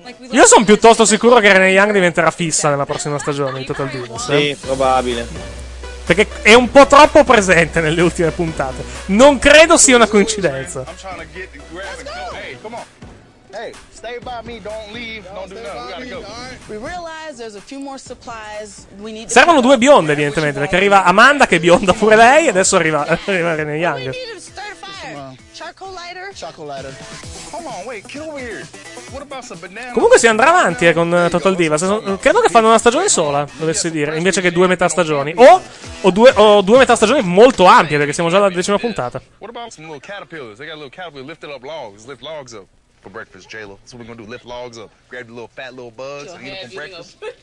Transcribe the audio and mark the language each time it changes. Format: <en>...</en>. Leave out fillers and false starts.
<it>Io sono piuttosto sicuro che Brené Young diventerà fissa nella prossima stagione in Total Divas. Sì, probabile. Perché è un po' troppo presente nelle ultime puntate. Non credo sia una coincidenza.</it> <en>Hey, stay by me, don't leave, don't do nothing. We realize there's a few more supplies we need.</en> <it>Servono due bionde, evidentemente, perché arriva Amanda, che è bionda pure lei, e adesso arriva Renee Young.</it> <en>We need to start a fire. charcoal lighter? Charcoal lighter. Come on, wait, get over here. What about some banana?</en> <it>Comunque si andrà avanti con Total Divas. Credo che fanno una stagione sola, dovessi dire, invece che due metà stagioni. O due metà stagioni molto ampie, perché siamo già alla decima puntata.</it> <en>What about some little caterpillars? They got a little caterpillar, lift it up logs, lift logs up. For breakfast, J-Lo. That's what we're gonna do, lift logs up, grab the little fat little bugs, and eat them for breakfast.</en>